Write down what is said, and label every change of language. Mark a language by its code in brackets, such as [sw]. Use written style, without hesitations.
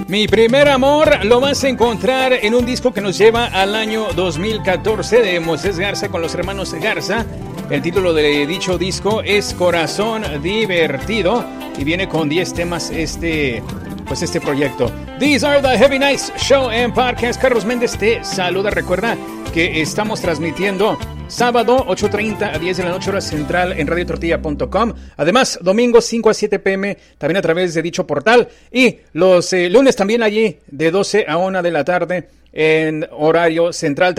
[es] Primer Amor lo vas a encontrar en un disco que nos lleva al año 2014 de Moisés Garza con los Hermanos Garza. El título de dicho disco es Corazón Divertido y viene con 10 temas este proyecto. [en] These are the Heavy Nights Show and Podcast. [es] Carlos Méndez te saluda. Recuerda que estamos transmitiendo sábado 8:30 a 10 de la noche hora central en radiotortilla.com. Además, domingo 5 a 7 p.m. también a través de dicho portal. Y los lunes también allí de 12 a 1 de la tarde en horario central.